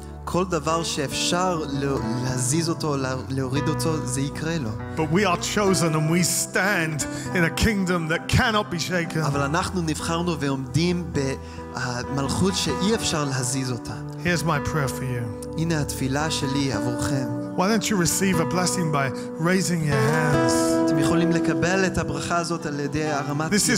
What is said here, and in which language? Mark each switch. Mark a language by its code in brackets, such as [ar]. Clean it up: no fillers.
[he] כל דבר שאפשר להזיז אותו, להוריד אותו, זה יקרה לו. [en] But we are chosen and we stand in a kingdom that cannot be shaken. [he] אבל אנחנו נבחרנו ועומדים במלכות שאי אפשר להזיז אותה. [en] Here's my prayer for you. [he] הנה התפילה שלי עבורכם. [en] Why don't you receive a blessing by raising your hands? [he] אתם יכולים לקבל את הברכה הזאת על ידי הרמת ידיים.